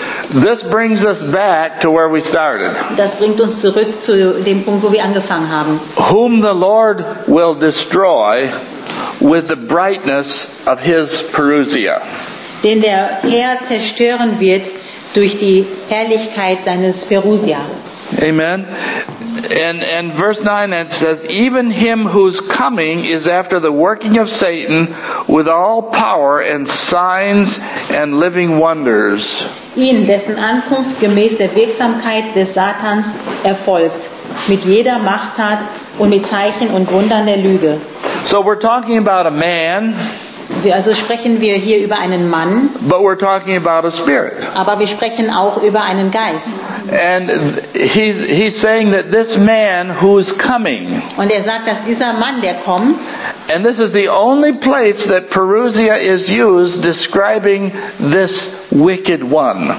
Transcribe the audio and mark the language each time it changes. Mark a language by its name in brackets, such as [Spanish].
[English] This brings us back to where we started. [German] Das bringt uns zurück zu dem Punkt, wo wir angefangen haben. [English] Whom the Lord will destroy with the brightness of his parousia. [German] Den der Herr zerstören wird durch die Herrlichkeit seines Parousia. [English] Amen. And verse 9 it says, even him whose coming is after the working of Satan with all power and signs and living wonders. [German] Ihn, dessen Ankunft gemäß der Wirksamkeit des Satans erfolgt, mit jeder Machttat und mit Zeichen und Wundern der Lüge. [English] So we're talking about a man. [German] Also sprechen wir hier über einen Mann. [English] But we're talking about a spirit. [German] Aber wir sprechen auch über einen Geist. [English] And he's saying that this man who is coming. [German] Und er sagt, dass dieser Mann, der kommt. [English] And this is the only place that parousia is used describing this wicked one.